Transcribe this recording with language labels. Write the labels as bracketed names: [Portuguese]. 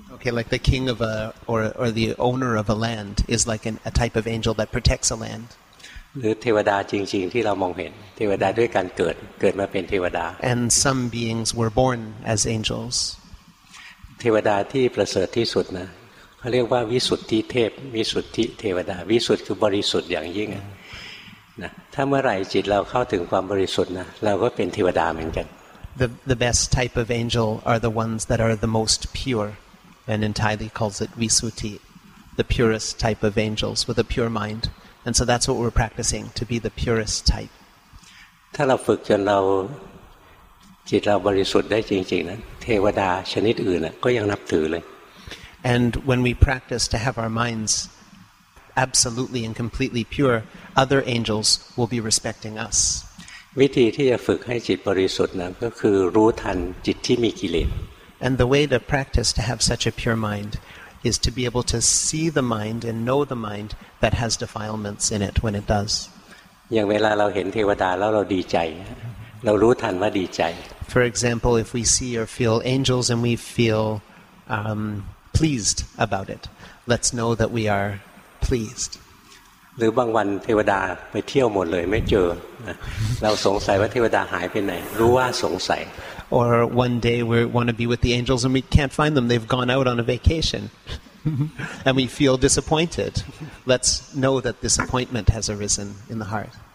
[English] Like the king of or the owner of a land is like a type of angel that protects a land. [Thai] หรือเทวดาจริงๆที่เรามองเห็นเทวดาด้วยการเกิดมาเป็นเทวดา [English] And some beings were born as angels. [Thai] เทวดาที่ประเสริฐที่สุดนะเขาเรียกว่าวิสุทธิเทพวิสุทธิเทวดาวิสุทธิคือบริสุทธิ์อย่างยิ่งนะถ้าเมื่อไหร่จิตเราเข้าถึงความบริสุทธิ์นะเราก็เป็นเทวดาเหมือนกัน [English] The best type of angel are the ones that are the most pureAnd entirely calls it visuti, the purest type of angels with a pure mind. And so that's what we're practicing, to be the purest type. [Thai] ถ้าเราฝึกจนเราจิตเราบริสุทธิ์ได้จริงๆนะเทวดาชนิดอื่นก็ยังนับถือเลย [English] And when we practice to have our minds absolutely and completely pure, other angels will be respecting us. [Thai] วิธีที่จะฝึกให้จิตบริสุทธิ์นะก็คือรู้ทันจิตที่มีกิเลส [English] And the way to practice to have such a pure mind is to be able to see the mind and know the mind that has defilements in it when it does. [Thai] อย่างเวลาเราเห็นเทวดาแล้วเราดีใจเรารู้ทันว่าดีใจ [English] For example, if we see or feel angels and we feel pleased about it, let's know that we are pleased. [Thai] หรือบางวันเทวดาไปเที่ยวหมดเลยไม่เจอเราสงสัยว่าเทวดาหายไปไหนรู้ว่าสงสัย [English] Or one day we want to be with the angels and we can't find them. They've gone out on a vacation. and we feel disappointed. Let's know that disappointment has arisen in the heart.